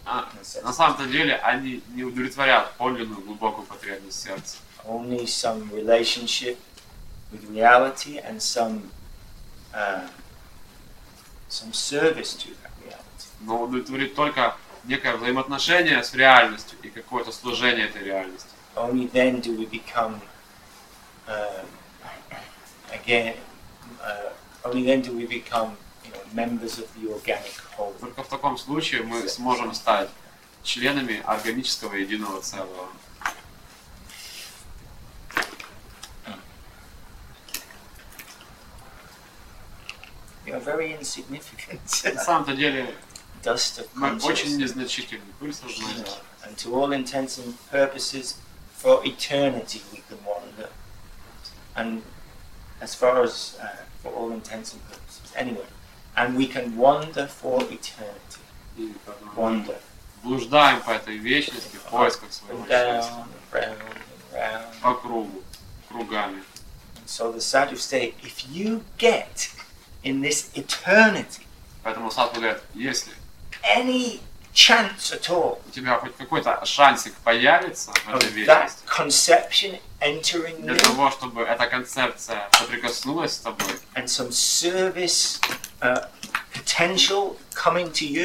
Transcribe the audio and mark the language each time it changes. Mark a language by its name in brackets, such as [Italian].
[Russian] на самом-то деле они не удовлетворяют подлинную глубокую потребность сердца. [English] Only some relationship with reality and some service to that reality. [Russian] Но удовлетворит только некое взаимоотношение с реальностью и какое-то служение этой реальности. [English] Only then do we become again. Only then do we become members of the organic whole. [Russian] Только в таком случае мы сможем стать членами органического единого целого. [English] You are very insignificant. [Russian] На самом-то деле, [English] dust of consciousness. [Russian] Мы очень незначительны. Пыль сознания. [English] And to all intents and purposes, for eternity we can wander. And as far as for all intents and purposes, anyway. And we can wander for eternity. Wander. [Russian] Блуждаем по этой вечности в поисках своего счастья. [English] Down, round. [Russian] По кругу, кругами. [English] So the sadhu say, if you get in this eternity, [Russian] поэтому сатху говорят, если [English] any chance at all, [Russian] у тебя хоть какой-то шансик появится в этой вечности, [English] that conception entering [Russian] для того, чтобы эта концепция соприкоснулась с тобой, [English] and some service potential coming to you,